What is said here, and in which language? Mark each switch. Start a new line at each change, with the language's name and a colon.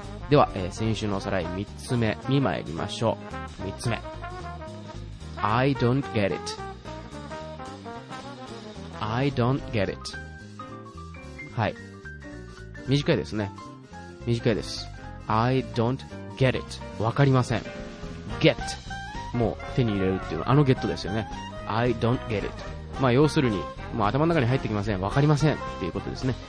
Japanese: では、先週のおさらい3つ目に参りましょう。 3つ目、
English: I don't get it、 I don't get it。
Japanese: はい、短いですね、短いです。
English: I don't get it、
Japanese: わかりません。get、 もう手に入れるっていうのはあの get ですよね。
English: I don't get it、
Japanese: まあ要するにもう頭の中に入ってきません、わかりませんっていうことですね。